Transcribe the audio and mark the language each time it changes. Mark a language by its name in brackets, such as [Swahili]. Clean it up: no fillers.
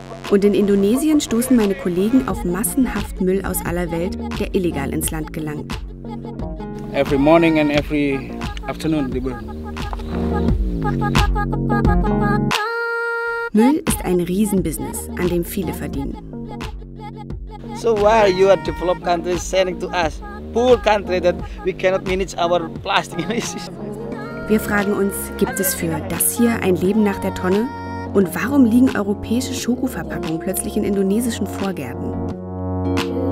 [German] Und in Indonesien stoßen meine Kollegen auf massenhaft Müll aus aller Welt, der illegal ins Land gelangt. [English] Every morning and every afternoon, the [German] Müll. Müll ist ein Riesenbusiness, an dem viele verdienen. [English] So why are you a developed country selling to us? Poor country that we cannot manage our plastic emissions. [German] Wir fragen uns, gibt es für das hier ein Leben nach der Tonne? Und warum liegen europäische Schokoverpackungen plötzlich in indonesischen Vorgärten?